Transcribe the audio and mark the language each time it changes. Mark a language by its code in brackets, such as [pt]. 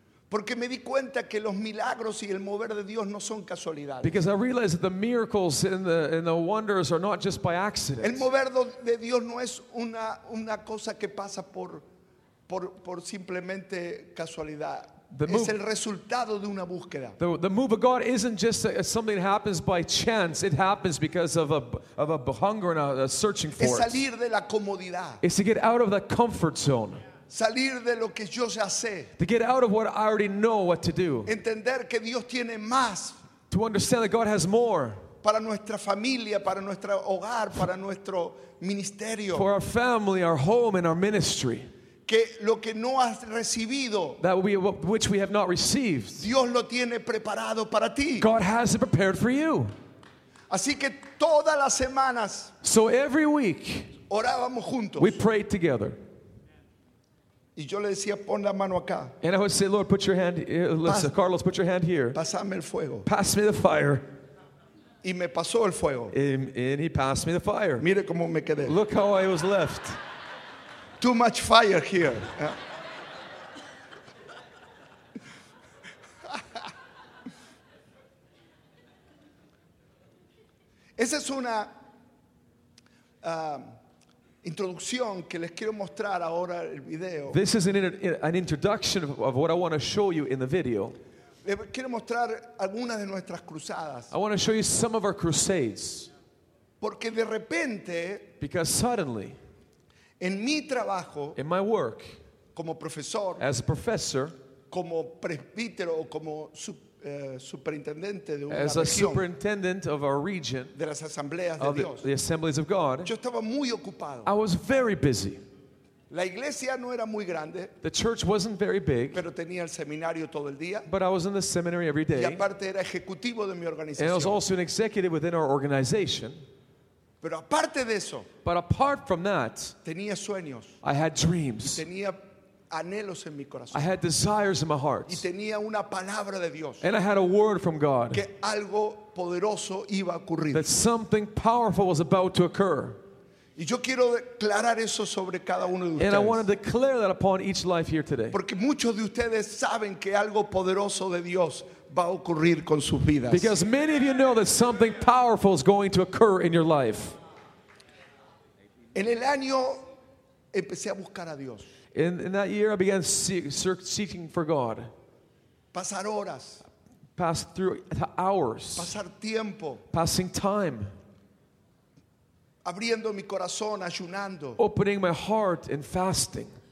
[es] Porque me di cuenta que los milagros y el mover de Dios no son casualidades. [en] Because I realized that the miracles and the wonders are not just by accident. [es] El mover de Dios no es una cosa que pasa por simplemente casualidad. Es el resultado de una búsqueda. [en] The move of God isn't just something that happens by chance. It happens because of a hunger and a searching for it. [es] Es salir de la comodidad. [en] It's to get out of the comfort zone. [es] Salir de lo que yo ya sé. [en] To get out of what I already know what to do. [es] Entender que Dios tiene más. [en] To understand that God has more. [es] Para nuestra familia, para nuestro hogar, para nuestro ministerio. [en] For our family, our home, and our ministry. [es] Que lo que no has recibido. [en] That which we have not received. [es] Dios lo tiene preparado para ti. [en] God has it prepared for you. [es] Así que todas las semanas. [en] So every week. [es] Orábamos juntos. [en] We prayed together. [es] Y yo le decía, pon la mano acá. [en] And I would say, Lord, put your hand, Carlos, put your hand here. [es] Pásame el fuego. [en] Pass me the fire. [es] Y me pasó el fuego. [en] And he passed me the fire. [es] Mire cómo me quedé. [en] Look how I was left. Too much fire here. [es] Esa es una introducción que les quiero mostrar ahora en el video. [en] This is an introduction of what I want to show you in the video. [es] Les quiero mostrar algunas de nuestras cruzadas. [en] I want to show you some of our crusades. [es] Porque de repente, [en] because suddenly, [es] en mi trabajo, [en] in my work, [es] como profesor, [en] as a professor, [es] como presbítero o como superintendente de una [en] as [es] región, [en] a superintendent of our region, [es] de las asambleas de Dios, [en] the assemblies of God, [es] yo estaba muy ocupado. [en] I was very busy. [es] La iglesia no era muy grande. [en] The church wasn't very big. [es] Pero tenía el seminario todo el día. [en] But I was in the seminary every day. [es] Y aparte era ejecutivo de mi organización. [en] And I was also an executive within our organization. [es] Pero aparte de eso, [en] but apart from that, [es] tenía sueños. [en] I had dreams. [es] Y tenía anhelos en mi corazón. [en] I had desires in my heart. [es] Y tenía una palabra de Dios. [en] And I had a word from God. [es] Que algo poderoso iba a ocurrir. [en] That something powerful was about to occur. [es] Y yo quiero declarar eso sobre cada uno de ustedes. [en] And I want to declare that upon each life here today. [es] Porque muchos de ustedes saben que algo poderoso de Dios va a ocurrir con sus vidas. [en] Because many of you know that something powerful is going to occur in your life. [es] En el año empecé a buscar a Dios. [en] In that year I began seeking for God. [es] Pasar horas. [en] Pass through hours. [es] Pasar tiempo. [en] Passing time. [es] Abriendo mi corazón, ayunando. [en] Opening my heart and fasting.